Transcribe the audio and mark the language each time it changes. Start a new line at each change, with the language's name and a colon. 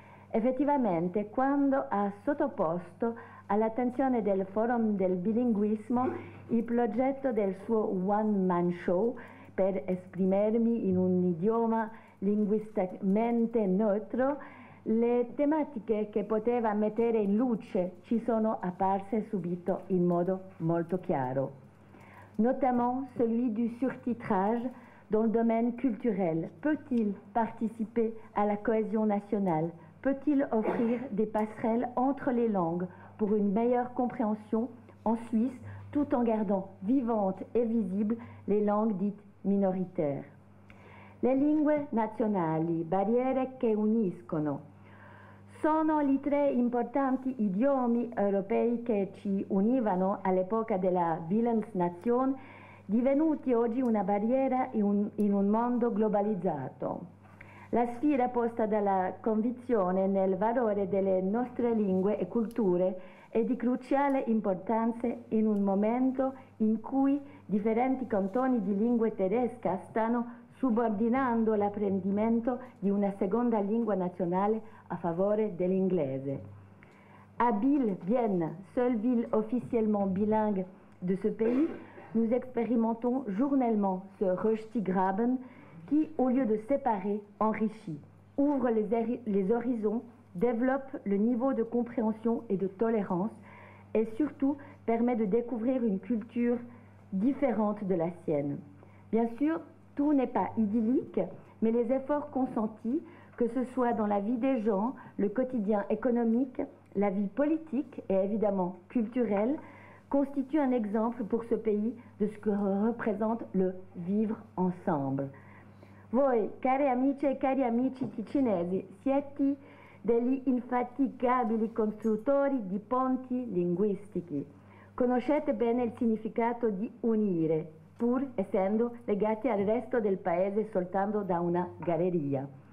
Italian: Effettivamente, quando ha sottoposto all'attenzione del Forum del Bilinguismo il progetto del suo one-man show per esprimermi in un idioma linguisticamente neutro, le tematiche che poteva mettere in luce ci sono apparse subito in modo molto chiaro.
French: Notamment celui du surtitrage dans le domaine culturel. Peut-il participer à la cohésion nationale? Peut-il offrir des passerelles entre les langues pour une meilleure compréhension en Suisse tout en gardant vivantes et visibles les langues dites minoritaires?
Italian: Le lingue nazionali, barriere che uniscono. Sono i tre importanti idiomi europei che ci univano all'epoca della Willensnation, divenuti oggi una barriera in un mondo globalizzato. La sfida posta dalla convinzione nel valore delle nostre lingue e culture è di cruciale importanza in un momento in cui differenti cantoni di lingua tedesca stanno subordinando l'apprendimento di una seconda lingua nazionale a favore dell'inglese.
French: À Bille, Vienne, seule ville officiellement bilingue de ce pays, nous expérimentons journellement ce Rösti-Graben qui, au lieu de séparer, enrichit, ouvre les horizons, développe le niveau de compréhension et de tolérance et surtout permet de découvrir une culture différente de la sienne. Bien sûr, tout n'est pas idyllique, mais les efforts consentis, que ce soit dans la vie des gens, le quotidien économique, la vie politique et évidemment culturelle, constituent un exemple pour ce pays de ce que représente le vivre ensemble.
Italian: Voi, cari amici e cari amici ticinesi, siete degli infaticabili costruttori di ponti linguistici. Conoscete bene il significato di unire, pur essendo legati al resto del paese soltanto da una galleria.